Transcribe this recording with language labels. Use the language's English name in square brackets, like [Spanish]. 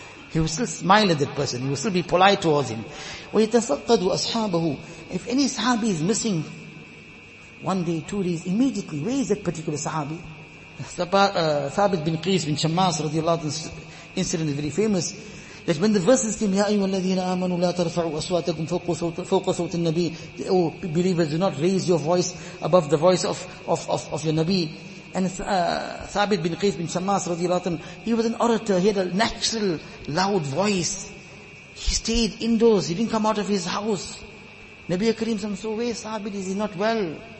[English] He will still smile at that person. He will still be polite towards him. [Arabic] وَيَتَفَقَّدُ أَصْحَابَهُ. [English] If any sahabi is missing one day, 2 days, immediately, where is that particular sahabi? Thabit bin Qais bin Shammas, radiallahu anhu, incident is very famous. That when the verses came, [Arabic] يَا أَيُّوَا الَّذِينَ آمَنُوا لَا تَرْفَعُوا أَصْوَاتَكُمْ فَوْقَ صَوْتِ النَّبِيِّ. [English] Oh, believers, do not raise your voice above the voice of your Nabi. And Thabit bin Qais bin Shammas, he was an orator, he had a natural loud voice. He stayed indoors, he didn't come out of his house. Nabi Akareem said, so where Thabit is, he not well?